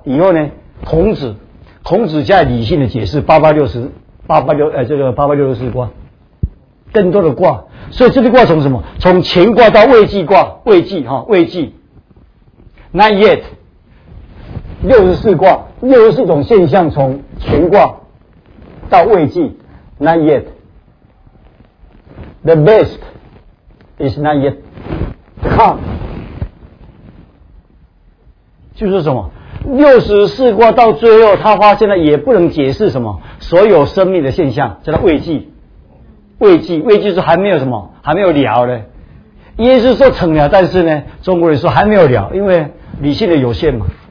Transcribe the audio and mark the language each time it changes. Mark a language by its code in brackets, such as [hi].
[zh] 以后呢，孔子加理性的解释八八六十卦，更多的卦。所以这个卦从什么？从乾卦到未济卦，未济 ， [en] not yet， [zh] 64卦，64种现象从乾卦到未济 ，not yet。 [en] The best is not yet come， 就是什么？ [zh] 64卦到最后，他发现了也不能解释什么所有生命的现象，叫做未济。未济是还没有什么，还没有了呢。耶稣说成了，但是呢，中国人说还没有了，因为理性的有限嘛。